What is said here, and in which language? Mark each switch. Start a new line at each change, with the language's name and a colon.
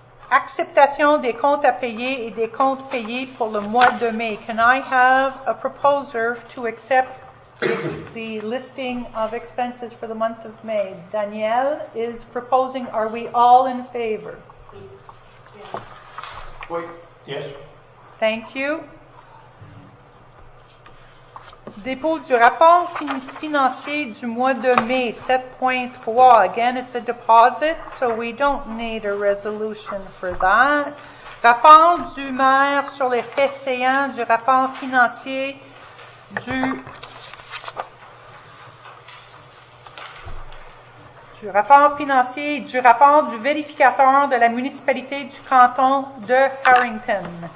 French: Acceptation des comptes à payer et des comptes payés pour le mois de mai.
English: Can I have a proposer to accept the listing of expenses for the month of May? Danielle is proposing. Are we all in favor? Yes. Thank you.
French: Dépôt du rapport financier du mois de mai, 7.3.
English: Again, it's a deposit, so we don't need a resolution for that.
French: Rapport du maire sur les faits séants du rapport financier du rapport financier et du rapport du vérificateur de la municipalité du canton de Harrington.